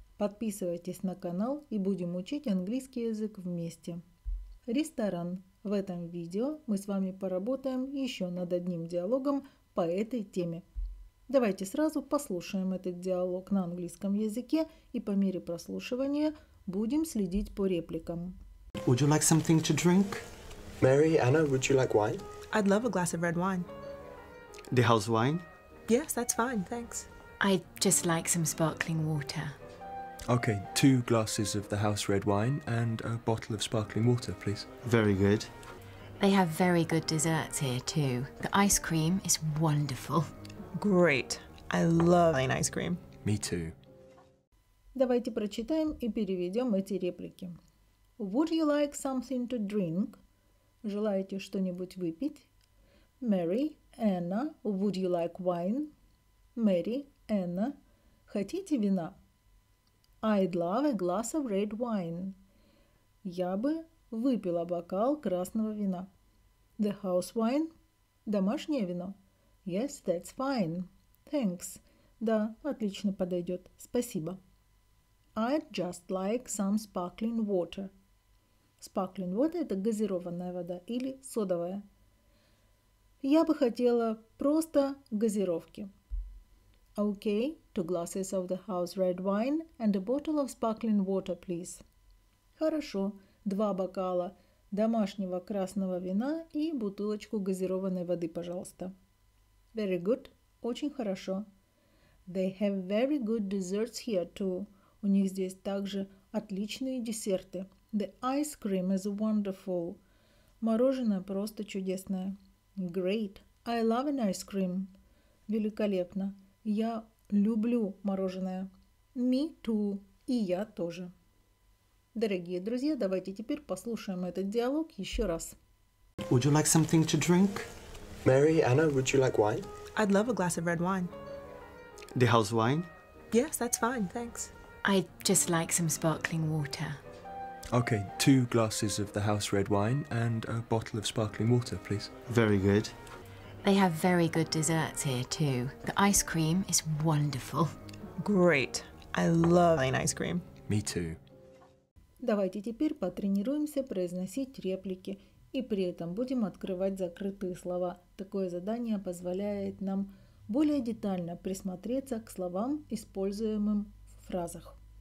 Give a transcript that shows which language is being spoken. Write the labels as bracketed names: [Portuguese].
[Russian] Подписывайтесь на канал и будем учить английский язык вместе. Ресторан. В этом видео мы с вами поработаем еще над одним диалогом по этой теме. Давайте сразу послушаем этот диалог на английском языке и по мере прослушивания будем следить по репликам. [English] Would you like something to drink? Mary, Anna, would you like wine? I'd love a glass of red wine. The house wine? Yes, that's fine, thanks. I'd just like some sparkling water. Okay, two glasses of the house red wine and a bottle of sparkling water, please. Very good. They have very good desserts here too. The ice cream is wonderful. Great. I love plain ice cream. Me too. [Russian] Давайте прочитаем и переведем эти реплики. [English] Would you like something to drink? [Russian] Желаете что-нибудь выпить? [English] Mary, Anna, would you like wine? Mary, Anna, [Russian] хотите вина? [English] I'd love a glass of red wine. [Russian] Я бы выпила бокал красного вина. [English] The house wine? [Russian] Домашнее вино? [English] Yes, that's fine. Thanks. [Russian] Да, отлично подойдет. Спасибо. [English] I'd just like some sparkling water. Sparkling water [Russian] – это газированная вода или содовая. Я бы хотела просто газировки. [English] Okay, two glasses of the house red wine and a bottle of sparkling water, please. [Russian] Хорошо, два бокала домашнего красного вина и бутылочку газированной воды, пожалуйста. [English] Very good, [Russian] очень хорошо. [English] They have very good desserts here too. [Russian] У них здесь также отличные десерты. [English] The ice cream is wonderful. [Russian] Мороженое просто чудесное. [English] Great. I love an ice cream. [Russian] Великолепно. Я люблю мороженое. [English] Me too. [Russian] И я тоже. Дорогие друзья, давайте теперь послушаем этот диалог еще раз. [English] Would you like something to drink? Mary, Anna, would you like wine? I'd love a glass of red wine. The house wine? Yes, that's fine, thanks. I'd just like some sparkling water. Okay, two glasses of the house red wine and a bottle of sparkling water, please. Very good. They have very good desserts here too. The ice cream is wonderful. Great. I love plain ice cream. Me too. [Russian] Давайте теперь потренируемся произносить реплики и при этом будем открывать закрытые слова. Такое задание позволяет нам более детально присмотреться к словам, используемым в фразах.